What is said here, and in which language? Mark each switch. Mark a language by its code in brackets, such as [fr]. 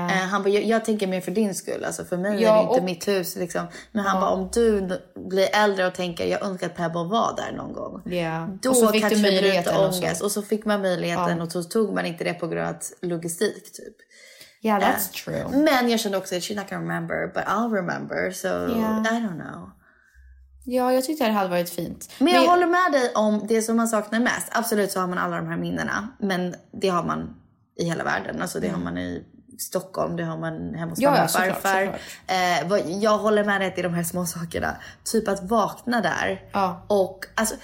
[sv] Han bara, jag tänker mer för din skull, alltså för mig är det inte mitt hus liksom. Men han bara, om du blir äldre och tänker, jag önskar att Pebble var där någon gång. Då och så fick du möjligheten ångest, och så fick man möjligheten och så tog man inte det på grund av logistik typ. [en] That's true. [sv] Men jag kände också, [en] she's not gonna remember, but I'll remember, so I don't know. [sv] Ja, jag tyckte det hade varit fint. Men jag håller med dig om det som man saknar mest. Absolut så har man alla de här minnena, men det har man i hela världen. Alltså det har man i Stockholm, det har man hemma hos mamma och farfar. Jag håller med dig i de här små sakerna. Typ att vakna där. Och alltså,